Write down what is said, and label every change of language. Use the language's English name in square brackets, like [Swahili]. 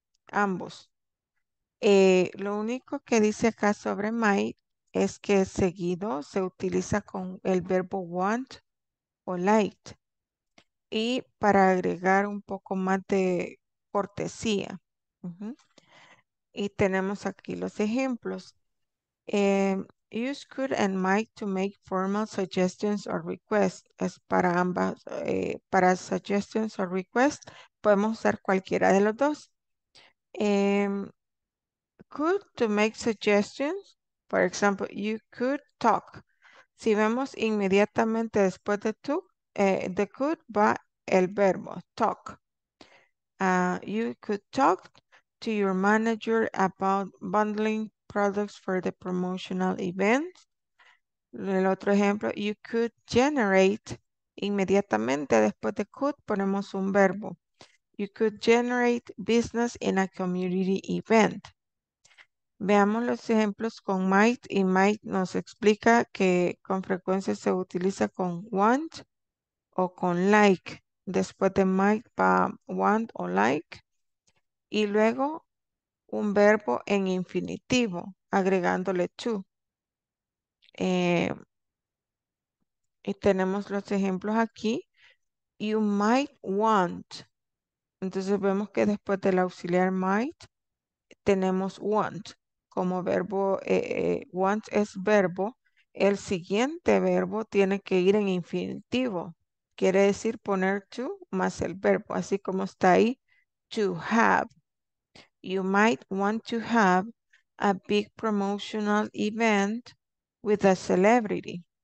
[Spanish] Ambos. Lo único que dice acá sobre might es que seguido se utiliza con el verbo want o like. Y para agregar un poco más de cortesía. Uh-huh. Y tenemos aquí los ejemplos. [English] Use could and might to make formal suggestions or requests. [Spanish] Es para ambas, para [English] suggestions or requests, [Spanish] podemos usar cualquiera de los dos. [English] Could to make suggestions, for example, you could talk. [Spanish] Si vemos inmediatamente después de to, the could va el verbo, talk. [English] You could talk to your manager about bundling products for the promotional event. [Spanish] El otro ejemplo, [English] you could generate, [Spanish] inmediatamente después de could, ponemos un verbo. [English] You could generate business in a community event. [Spanish] Veamos los ejemplos con might, y might nos explica que con frecuencia se utiliza con want o con like. Después de might va want o like. Y luego, un verbo en infinitivo, agregándole to. Y tenemos los ejemplos aquí. [English] You might want. [Spanish] Entonces vemos que después del auxiliar might, tenemos want. Como verbo, want es verbo, el siguiente verbo tiene que ir en infinitivo. Quiere decir poner to más el verbo, así como está ahí, to have. [English] You might want to have a big promotional event with a celebrity.